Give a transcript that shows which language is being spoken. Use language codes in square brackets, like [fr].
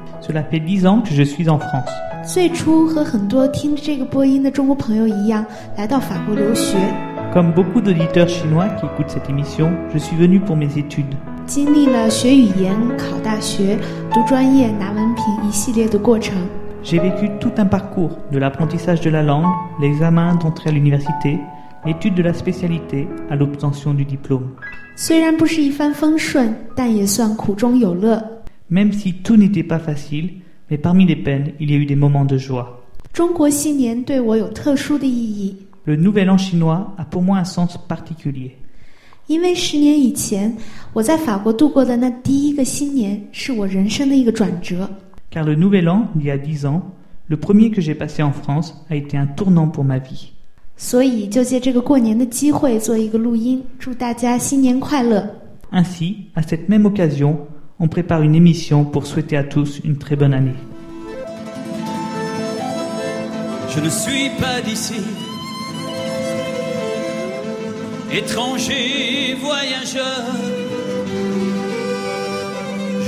[fr] Cela fait 10 ans que je suis en France. [zh] 最初和很多听着这个播音的中国朋友一样，来到法国留学。 [fr] Comme beaucoup d'auditeurs chinois qui écoutent cette émission, je suis venu pour mes études. [zh] 经历了学语言、考大学、读专业、拿文凭一系列的过程。 [fr] J'ai vécu tout un parcours, de l'apprentissage de la langue, l'examen d'entrée à l'université, l'étude de la spécialité, à l'obtention du diplôme. [zh] 虽然不是一帆风顺，但也算苦中有乐。 [fr] Même si tout n'était pas facile, mais parmi les peines, il y a eu des moments de joie. [zh] 中国新年对我有特殊的意义。 [fr] Le nouvel an chinois a pour moi un sens particulier. [zh] 因为十年以前，我在法国度过的那第一个新年是我人生的一个转折。 [fr] Car le nouvel an, il y a 10 ans, Le premier que j'ai passé en France a été un tournant pour ma vie. [zh] 所以就借这个过年的机会做一个录音，祝大家新年快乐。 [fr] Ainsi, à cette même occasion, on prépare une émission pour souhaiter à tous une très bonne année. Je ne suis pas d'ici, étranger voyageur.